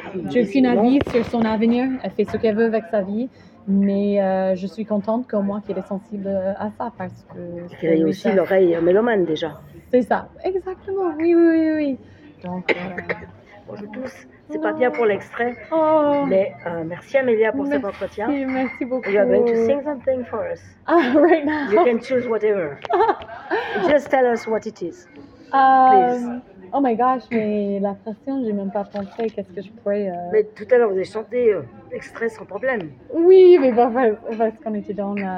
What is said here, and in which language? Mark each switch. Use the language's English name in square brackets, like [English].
[French] J'ai aucune avis sur son avenir. Elle fait ce qu'elle veut avec sa vie. Mais je suis contente qu'au moins qu'elle est sensible à ça. Parce que. Elle a aussi ça. L'oreille mélomane déjà. C'est ça, exactement. Oui. Donc. Bonjour à tous. C'est pas bien pour l'extrait, mais merci Amélia pour cet entretien. Merci beaucoup. [English] You are going to sing something for us. Right now. You can choose whatever. Just tell us what it is, please. Oh my gosh, [French] mais la pression, j'ai même pas pensé qu'est-ce que je pourrais... Mais tout à l'heure, vous avez chanté l'extrait sans problème. Oui, mais bon, parce qu'on était dans...